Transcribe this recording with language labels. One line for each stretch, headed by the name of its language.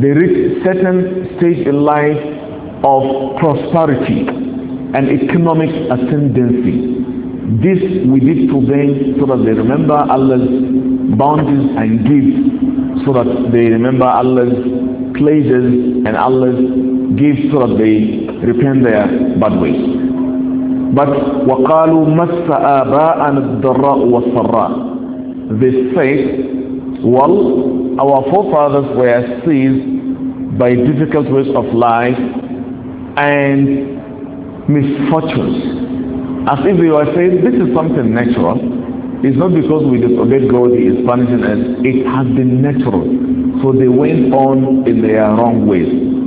English: They reach certain stage in life of prosperity and economic ascendancy. This we did to them so that they remember Allah's bounties and gifts, so that they remember Allah's pleasures and Allah's gifts, so that they repent their bad ways. But
Arabic: وَقَالُوا مَسَّ آبَاءَنَا الضَّرَّاءُ وَالسَّرَّاءُ.
English: They say, well, our forefathers were seized by difficult ways of life and misfortunes. As if they were saying, this is something natural. It's not because we disobeyed God, He is punishing us. It has been natural. So they went on in their wrong ways.